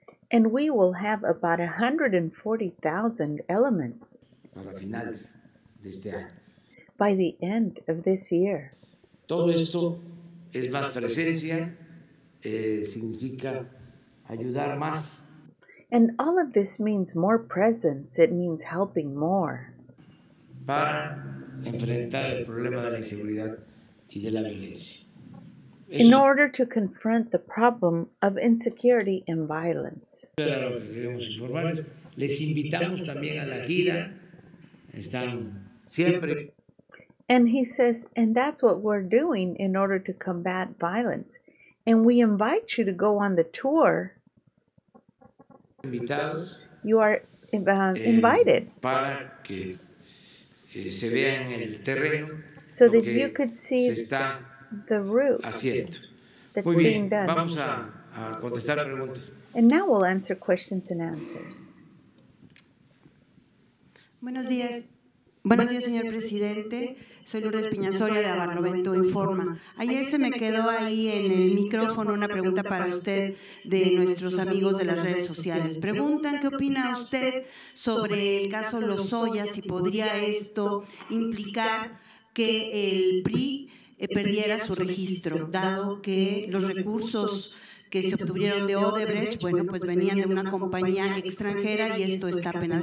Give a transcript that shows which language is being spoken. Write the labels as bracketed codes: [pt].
[en] And we will have about 140,000 elements [es] para finales de este año. [en] By the end of this year. [es] Todo esto es más presencia, significa ayudar más. [en] And all of this means more presence, it means helping more. [es] para enfrentar el problema de la inseguridad y de la violencia. [en] In order to confront the problem of insecurity and violence. [es] Para lo que queremos informarles, les invitamos también a la gira. Están siempre. [en] And he says, and that's what we're doing in order to combat violence. And we invite you to go on the tour. [es] Invitados. [en] You are invited. [es] Para que se vea en el terreno. [en] So that you could see the roof. [es] Haciendo. [en] That's [es] Muy bien, [en] being done. [es] Vamos a contestar preguntas. [en] And now we'll answer questions and answers. [es] Buenos días. Buenos días, señor presidente. Soy Lourdes Piñasoria de Abarlovento Informa. Ayer se me quedó ahí en el micrófono una pregunta para usted de nuestros amigos de las redes sociales. Preguntan qué opina usted sobre el caso Lozoya, si podría esto implicar que el PRI perdiera su registro, dado que los recursos que se obtuvieron de Odebrecht, bueno, pues venían de una compañía extranjera y esto está penado.